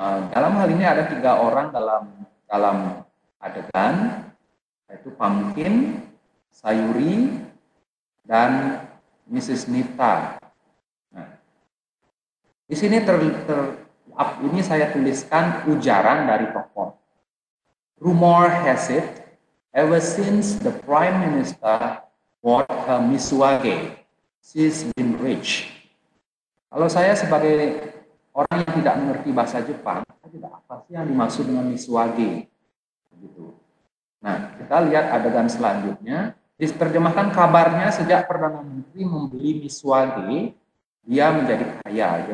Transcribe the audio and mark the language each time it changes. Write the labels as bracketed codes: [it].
[id] Dalam hal ini ada tiga orang dalam adegan, yaitu Pumpkin, Sayuri, dan Mrs. Nita. Nah, di sini ini saya tuliskan ujaran dari tokoh. [en] Rumor has it, ever since the Prime Minister bought her Mitsuage, she's been rich. [id] Kalau saya sebagai orang yang tidak mengerti bahasa Jepang, saya tidak apa sih yang dimaksud dengan Mitsuage. Begitu. Nah, kita lihat adegan selanjutnya. Diterjemahkan kabarnya sejak Perdana Menteri membeli Mitsuage, dia menjadi kaya.